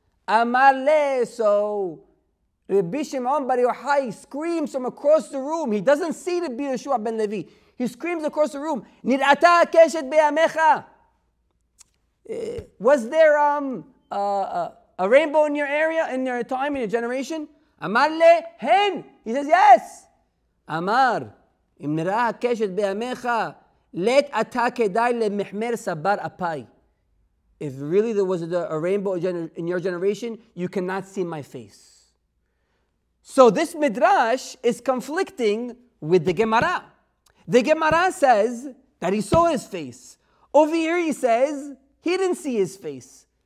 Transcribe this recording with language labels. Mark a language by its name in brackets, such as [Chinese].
[Hebrew] Amar le'so. [English] Rabbi Shimon bar Yochai screams from across the room. He doesn't see Rabbi Yeshua ben Levi. He screams across the room, [Hebrew] Nir'ata keshet be'amecha. [English] Was there a rainbow in your area, in your time, in your generation? [Hebrew] Amar le'hen. [English] He says, yes. [Hebrew] Amar. אם נראה הקשת בימיך, לית אתה כדאי למחמר סבר אפי. [English] If really there was a rainbow in your generation, you cannot see my face. So this midrash is conflicting with the Gemara. The Gemara says that he saw his face. Over here he says he didn't see his face.